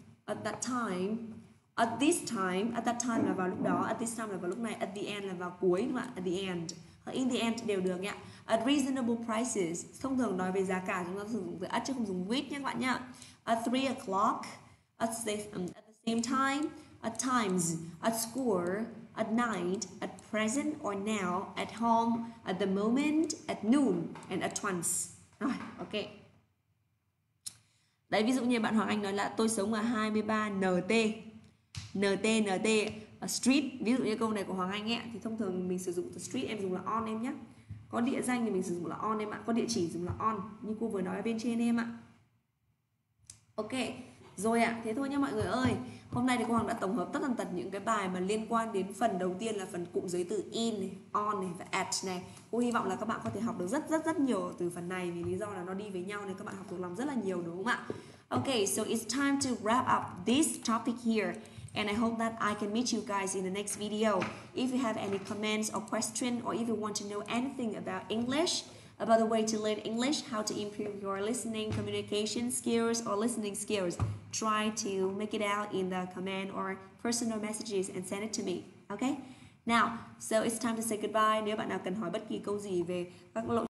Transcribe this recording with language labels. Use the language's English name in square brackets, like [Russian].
[English] At that time, at this time, at that time [Vietnamese] là vào lúc đó, [English] at this time [Vietnamese] là vào lúc này, [English] at the end [Vietnamese] là vào cuối, đúng không ạ? [English] At the end, in the end [Vietnamese] đều được nhé. [English] At reasonable prices, [Vietnamese] thông thường nói về giá cả, chúng ta sử dụng từ at chứ không dùng with nhé các bạn nhé. [English] At 3 o'clock, at the same time, at times, at school, at night, at present or now, at home, at the moment, at noon, and at once. [Vietnamese] Rồi, ok. Đấy, ví dụ như bạn Hoàng Anh nói là tôi sống ở 23NT. NT, [English] a street. [Vietnamese] Ví dụ như câu này của Hoàng Anh ấy, thì thông thường mình sử dụng từ street, em dùng là on em nhé. Có địa danh thì mình sử dụng là on em ạ. Có địa chỉ dùng là on, như cô vừa nói ở bên trên em ạ. Ok, rồi ạ, thế thôi nha mọi người ơi. Hôm nay thì cô Hoàng đã tổng hợp tất tần tật những cái bài mà liên quan đến phần đầu tiên là phần cụm giới từ in, on và at này. Cô hy vọng là các bạn có thể học được rất rất rất nhiều từ phần này vì lý do là nó đi với nhau nên các bạn học được lòng rất là nhiều đúng không ạ? [English] Ok, so it's time to wrap up this topic here. And I hope that I can meet you guys in the next video. If you have any comments or question or if you want to know anything about English, about the way to learn English, how to improve your listening communication skills or listening skills, try to make it out in the comment or personal messages and send it to me. Okay? Now, so it's time to say goodbye. [Vietnamese] Nếu bạn nào cần hỏi bất kỳ câu gì về các lộ